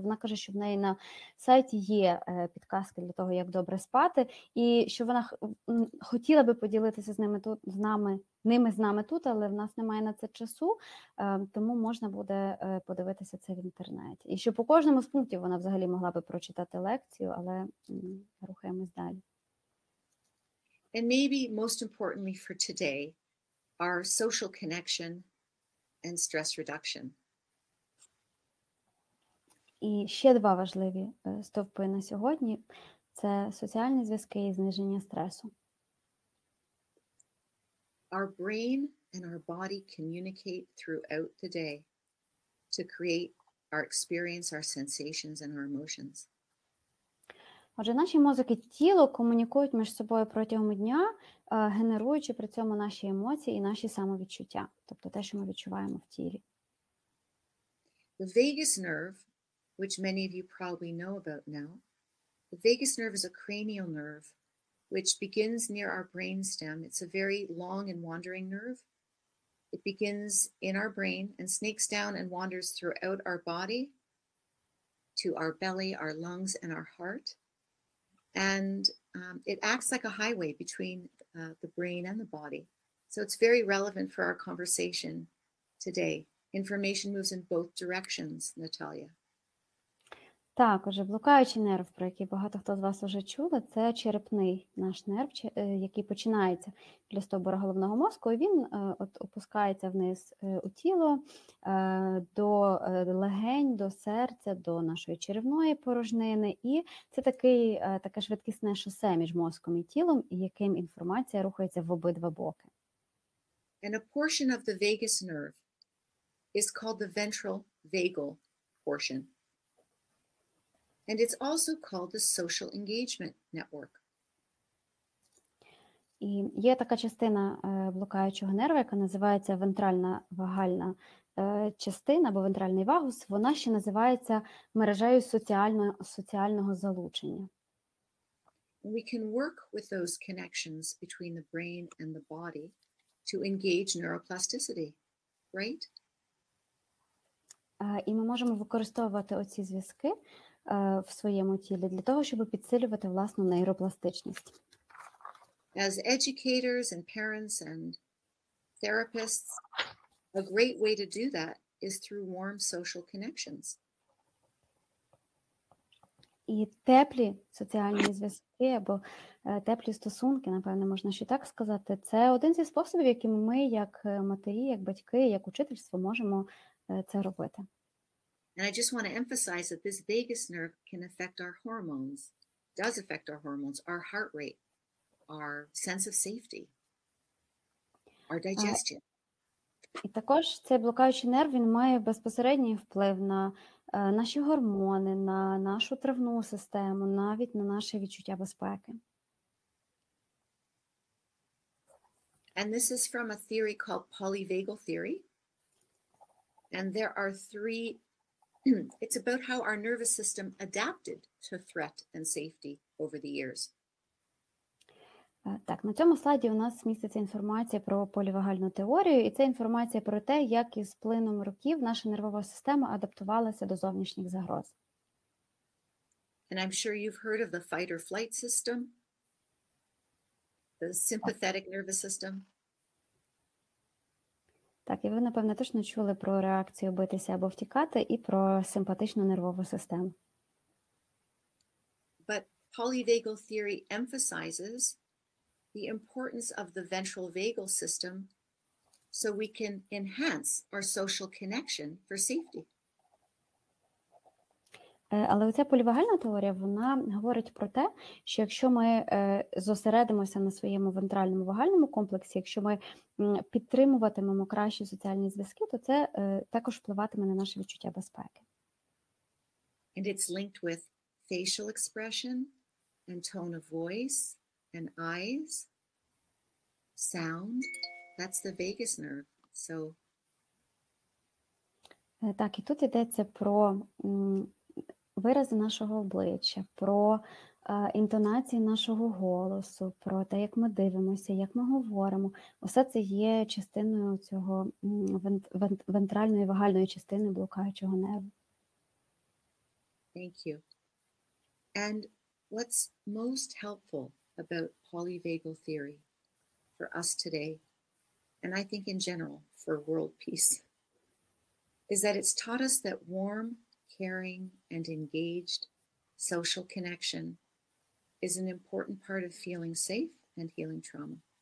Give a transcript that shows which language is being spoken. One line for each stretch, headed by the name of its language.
Ukrainian: Вона каже, що в неї на сайті є підказки для того, як добре спати, і що вона хотіла би поділитися з ними тут, з нами тут, але в нас немає на це часу, тому можна буде подивитися це в інтернеті. І що по кожному з пунктів вона взагалі могла би прочитати лекцію, але рухаємось далі.
English: And maybe most importantly for today, our social connection and stress reduction.
Ukrainian: І ще два важливі стовпи на сьогодні – це соціальні зв'язки і зниження стресу.
English: Our brain and our body communicate throughout the day to create our experience, our sensations and our emotions.
Ukrainian: Отже, наші мозок і тіло комунікують між собою протягом дня, генеруючи при цьому наші емоції і наші самовідчуття, тобто те, що ми відчуваємо в тілі.
English: The vagus nerve, which many of you probably know about now, the vagus nerve is a cranial nerve, which begins near our brain stem. It's a very long and wandering nerve. It begins in our brain and snakes down and wanders throughout our body to our belly, our lungs, and our heart. And it acts like a highway between the brain and the body. So it's very relevant for our conversation today. Information moves in both directions, Natalia.
Ukrainian: Так, отже, блукаючий нерв, про який багато хто з вас вже чули, це черепний наш нерв, який починається біля стовбура головного мозку, і він опускається вниз у тіло, до легень, до серця, до нашої черевної порожнини. І це таке швидкісне шосе між мозком і тілом, яким інформація рухається в обидва боки.
English: And a portion of the vagus nerve is called the ventral vagal portion. And it's also called the social engagement network.
Ukrainian: І є така частина блукаючого нерва, яка називається вентральна вагальна частина або вентральний вагус. Вона ще називається мережею соціального залучення.
English: We can work with those connections between the brain and the body to engage neuroplasticity, right?
Ukrainian: І ми можемо використовувати оці зв'язки в своєму тілі для того, щоб підсилювати власну нейропластичність.
English: As educators and parents and therapists, a great way to do that is through warm social connections.
Ukrainian: І теплі соціальні зв'язки або теплі стосунки, напевно, можна ще так сказати, це один зі способів, яким ми як матері, як батьки, як учительство можемо це робити.
English: And I just want to emphasize that this vagus nerve can affect our hormones, does affect our hormones, our heart rate, our sense of safety, our digestion.
Ukrainian: І також цей блокуючий нерв, він має безпосередній вплив на наші гормони, на нашу тревну систему, навіть на наше відчуття безпеки.
English: And this is from a theory called polyvagal theory. And there are three... It's about how our nervous system adapted to threat and safety over the years.
Ukrainian: Так, на цьому слайді у нас міститься інформація про полівагальну теорію, і це інформація про те, як із плином років наша нервова система адаптувалася до зовнішніх загроз.
English: And I'm sure you've heard of the fight or flight system, the sympathetic nervous system.
Ukrainian: Так, і ви, напевно, точно чули про реакцію битися або втікати і про симпатичну нервову систему.
English: But polyvagal theory emphasizes the importance of the ventral vagal system so we can enhance our social connection for safety.
Ukrainian: Але оця полівагальна теорія, вона говорить про те, що якщо ми зосередимося на своєму вентральному вагальному комплексі, якщо ми підтримуватимемо кращі соціальні зв'язки, то це також впливатиме на наше відчуття безпеки.
English: And it's linked with facial expression and tone of voice and eyes, sound. That's the vagus nerve. So...
Ukrainian: Так, і тут йдеться про вирази нашого обличчя, про інтонації нашого голосу, про те, як ми дивимося, як ми говоримо. Усе це є частиною цього вентральної вагальної частини блукаючого нерву.
English: Thank you. And what's most helpful about polyvagal theory for us today, and I think in general for world peace, is that it's taught us that warm, caring, and engaged social connection is an important part of feeling safe and healing trauma.